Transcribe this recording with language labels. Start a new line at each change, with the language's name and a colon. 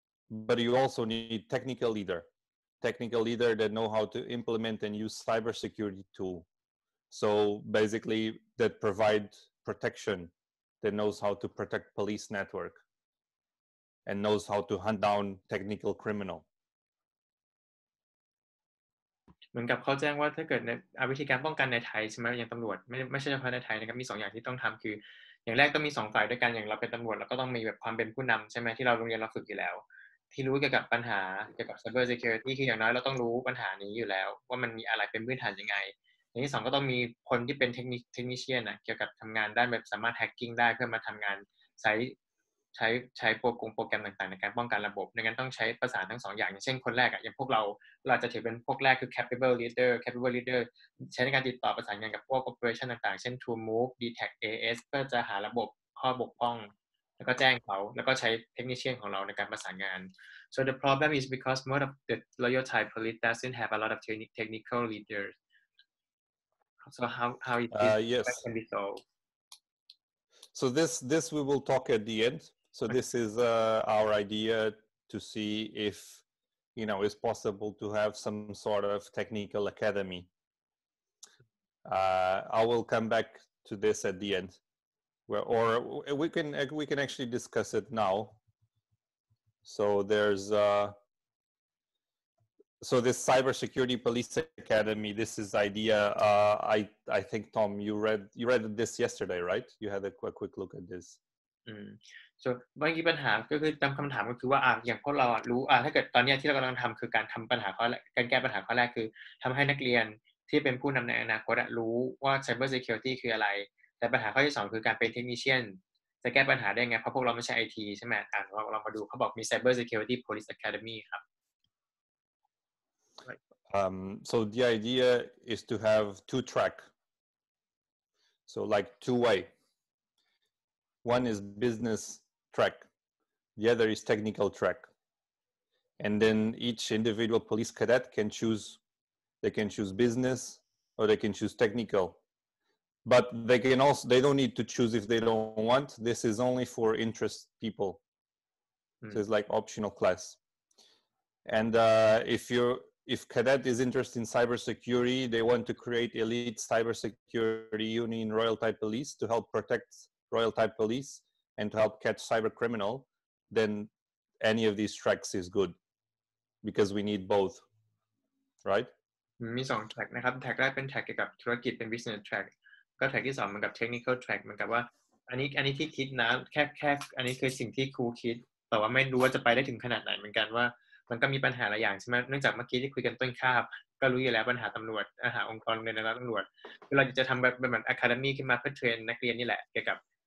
English: But you also need technical leader that know how to implement and use cybersecurity tool. So basically that provide protection, that knows how to protect police network and knows how to hunt down technical criminal.
Thai: เหมือนกับเขาแจ้งว่าถ้าเกิดในวิธีการป้องกันในไทยใช่ไหมอย่างตำรวจไม่ใช่เฉพาะในไทยนะครับมี2อย่างที่ต้องทำคืออย่างแรกต้องมี2ฝ่ายด้วยกันอย่างเราเป็นตำรวจแล้วก็ต้องมีแบบความเป็นผู้นำใช่ไหมที่เราโรงเรียนเราฝึกอยู่แล้วที่รู้เกี่ยวกับปัญหาเกี่ยวกับ cyber security คืออย่างน้อยเราต้องรู้ปัญหานี้อยู่แล้วว่ามันมีอะไรเป็นพื้นฐานยังไงอย่างที่2ก็ต้องมีคนที่เป็นเทคนิเชียนนะเกี่ยวกับทำงานด้านแบบสามารถแฮกกิ้งได้เพื่อมาทำงานใ ช้โปรแกรมต่างๆในการป้องกันระบบดังนั้นต้องใช้ประสานทั้งสองอย่างอย่างเช่นคนแรกอ่ะอย่างพวกเราจะถือเป็นพวกแรกคือ capable leader ใช้ในการติดต่อประสานงานกับพวก operation ต่างๆเช่น to move detect as เพื่อจะหาระบบข้อบกพร่องแล้วก็แจ้งเขาแล้วก็ใช้เทคนิคเชียนของเราในการประสานงาน
English: so the problem is because most of the loyal Thai police doesn't have a lot of technical leaders so how it is can be solved so this we will talk at the endSo this is our idea to see if, you know, it's possible to have some sort of technical academy. I will come back to this at the end. We can actually discuss it now. So there's, so this Cybersecurity Police Academy, this is idea. I think, Tom, you read this yesterday, right? You had a quick look at this.
Thai: So บางทีปัญหาก็คือจำคำถามก็คือว่าอย่างพวกเรารู้ถ้าเกิดตอนนี้ที่เรากำลังทำคือการทำปัญหาข้อแรกการแก้ปัญหาข้อแรกคือทำให้นักเรียนที่เป็นผู้นำในอนาคตรู้ว่า cyber security คืออะไรแต่ปัญหาข้อที่สองคือการเป็น technician จะแก้ปัญหาได้ไงเพราะพวกเราไม่ใช่ IT ใช่ไหมเรามาดูเขาบอกมี cyber security police academy ครับ
English: So the idea is to have two track so like two way one is businessTrack. The other is technical track. And then each individual police cadet can choose, they can choose business or they can choose technical. But they can also, they don't need to choose if they don't want. This is only for interest people. So it's like optional class. And if cadet is interested in cybersecurity, they want to create elite cybersecurity unit in Royal Thai Police to help protect Royal Thai Police. And to help catch cyber criminal, then any of these tracks is good because we need both, right?
Thai: มี2 track นะครับ track แรกเป็น track เกี่ยวกับธุรกิจเป็น business track ก็ track ที่2มันกับ technical track มันกับว่าอันนี้ที่คิดนะแค่อันนี้คือสิ่งที่ครูคิดแต่ว่าไม่รู้ว่าจะไปได้ถึงขนาดไหนเหมือนกันว่ามันก็มีปัญหาหลายอย่างใช่ไหมเนื่องจากเมื่อกี้ที่คุยกันต้นคาบก็รู้อยู่แล้วปัญหาตำรวจปัญหาองค์กรในระดับตำรวจคือเราจะทำแบบ academy ขึ้นมาเพื่อเทรนนักเรียนนี่แหละเกี่ยวกับ